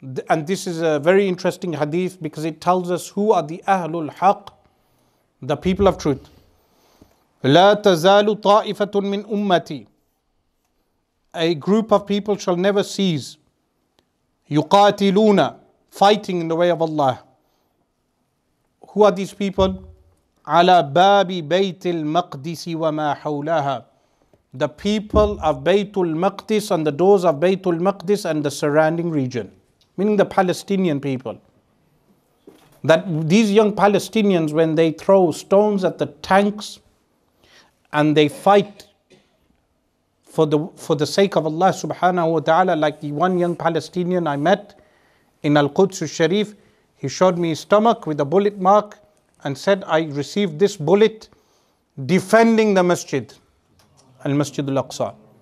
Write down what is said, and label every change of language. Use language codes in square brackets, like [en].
[en] And this is a very interesting hadith because it tells us who are the Ahlul Haqq, the people of truth. [ar] لا تزال طائفة من أمتي. [en] A group of people shall never cease [ar] يقاتلون, [en] fighting in the way of Allah. Who are these people? [ar] على باب بيت المقدس وما حولها. [en] The people of Baytul Maqdis and the doors of Baytul Maqdis and the surrounding region. Meaning the Palestinian people. That these young Palestinians, when they throw stones at the tanks and they fight for the sake of Allah subhanahu wa ta'ala, like the one young Palestinian I met in Al-Quds al-Sharif, he showed me his stomach with a bullet mark and said, I received this bullet defending the masjid, Al-Masjid Al-Aqsa.